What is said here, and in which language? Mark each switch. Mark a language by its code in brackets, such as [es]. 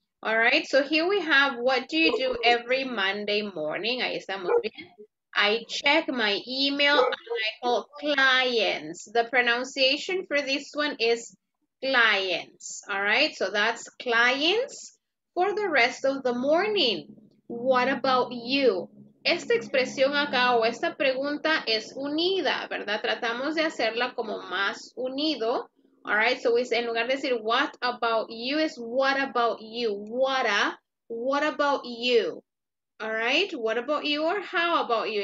[en] All right, so here we have, what do you do every Monday morning? [es] Ahí estamos bien. [en] I check my email and I call clients. The pronunciation for this one is clients, all right? So that's clients for the rest of the morning. What about you? [es] Esta expresión acá o esta pregunta es unida, ¿verdad? Tratamos de hacerla como más unido, [en] all right? So we say, [es] en lugar de decir [en] what about you, is what about you, what about you? All right, what about you or how about you?